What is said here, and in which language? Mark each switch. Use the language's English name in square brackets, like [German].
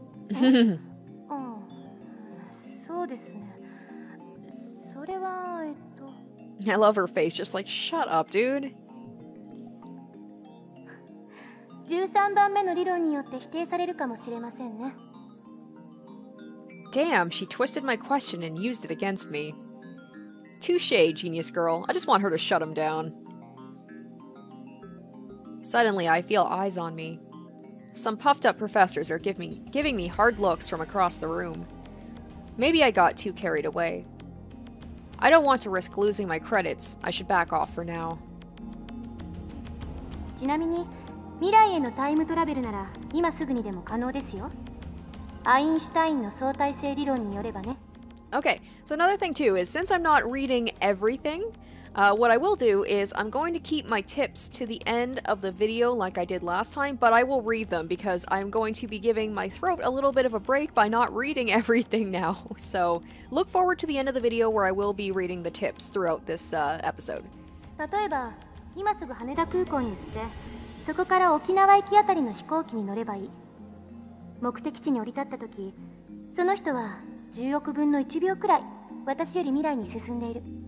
[Japanese] うん、そうですね。それは、 [English] I love her face, just like, shut up, dude. [Japanese] 13番目の理論によって否定されるかもしれませんね。 [English] Damn, she twisted my question and used it against me. Touché, genius girl. I just want her to shut him down. Suddenly, I feel eyes on me. Some puffed up professors are giving me hard looks from across the room. Maybe I got too carried away. I don't want to risk losing my credits. I should back off for now. [Japanese] ちなみに、未来へのタイムトラベルなら今すぐにでも可能ですよ。アインシュタインの相対性理論によればね。 [English] Okay, so another thing too is since I'm not reading everything, what I will do is I'm going to keep my tips to the end of the video like I did last time, but I will read them because I'm going to be giving my throat a little bit of a break by not reading everything now. So look forward to the end of the video where I will be reading the tips throughout this episode. [Japanese] 例えば、今すぐ羽田空港に行って、そこから沖縄行きあたりの飛行機に乗ればいい。目的地に降り立った時、その人は10億分の1秒くらい私より未来に進んでいる。